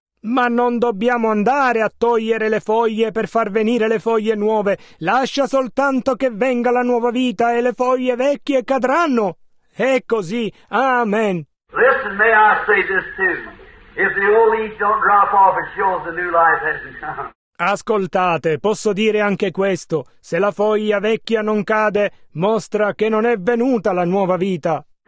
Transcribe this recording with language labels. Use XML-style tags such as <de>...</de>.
<it>Ma non dobbiamo andare a togliere le foglie per far venire le foglie nuove. Lascia soltanto che venga la nuova vita e le foglie vecchie cadranno. È così. Amen.</it> <en>Listen, may I say this too. If the old leaf don't drop off, it shows the new life hasn't come.</en> <it>Ascoltate, posso dire anche questo. Se la foglia vecchia non cade, mostra che non è venuta la nuova vita.</it>